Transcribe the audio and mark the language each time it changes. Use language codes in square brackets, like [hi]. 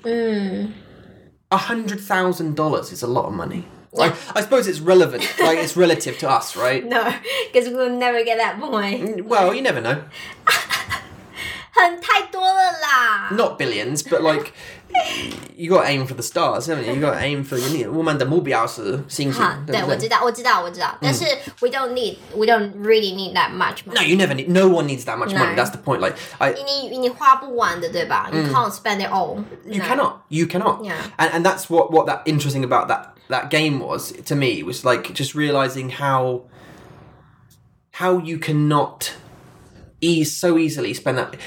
[en] $100,000 is a lot of money. Like, I suppose it's relevant. Like, it's relative to us, right? No, because we'll never get that boy. Well, you never know. [zh] 很太多了啦! [en] Not billions, but, like, you got to aim for the stars, haven't you? You got to aim for... [zh] 我们的目标是星星。对，我知道。但是, [en] we don't really need that much money. No, you never need... No one needs that much money. That's the point, like... You [zh] 花不完的,对吧? [en] You can't spend it all. You cannot. Yeah. And that's what that interesting about that... That game was, to me, was like just realizing how you cannot ease so easily spend that.